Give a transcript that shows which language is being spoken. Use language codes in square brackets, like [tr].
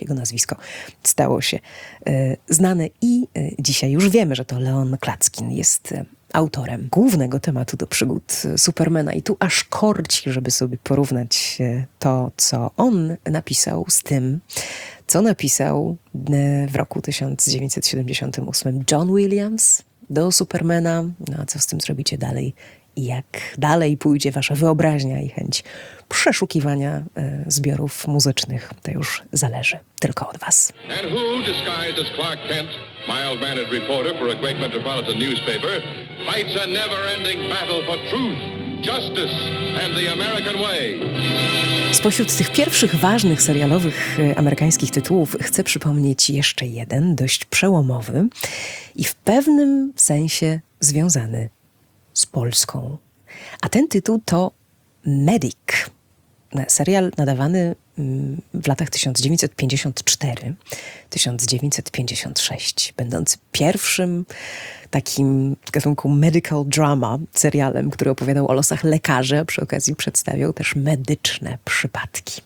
[pl] jego nazwisko stało się znane i dzisiaj już wiemy, że to Leon Klatskin jest autorem głównego tematu do Przygód Supermana. I tu aż korci, żeby sobie porównać to, co on napisał z tym, co napisał w roku 1978 John Williams do Supermana. No a co z tym zrobicie dalej? Jak dalej pójdzie wasza wyobraźnia i chęć przeszukiwania zbiorów muzycznych, to już zależy tylko od was. [en] And who disguised as Clark Kent, mild-mannered reporter for a great metropolitan newspaper, fights a never-ending battle for truth, justice and the American way. [pl] Spośród tych pierwszych ważnych serialowych amerykańskich tytułów chcę przypomnieć jeszcze jeden, dość przełomowy i w pewnym sensie związany z Polską. A ten tytuł to Medic. Serial nadawany w latach 1954-1956, będący pierwszym takim w gatunku medical drama serialem, który opowiadał o losach lekarzy, a przy okazji przedstawiał też medyczne przypadki.